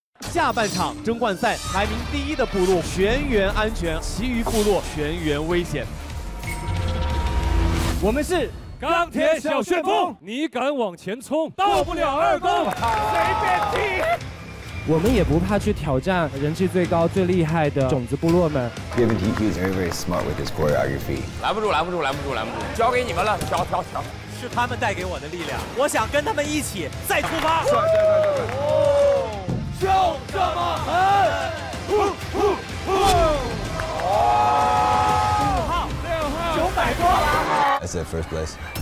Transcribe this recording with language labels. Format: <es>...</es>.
<zh>下半场争冠赛，排名第一的部落全员安全，其余部落全员危险。我们是钢铁小旋风，你敢往前冲，到不了二公，随便踢。我们也不怕去挑战人气最高最厉害的种子部落们。</zh> <en>Given he is very very smart with his choreography.</en> <zh>拦不住，拦不住，拦不住，拦不住，交给你们了，挑挑挑。是他们带给我的力量，我想跟他们一起再出发。帅帅帅帅帅！就这么狠！呼呼呼！五号、六号、九百多了。</zh> <en>That's the first place.</en>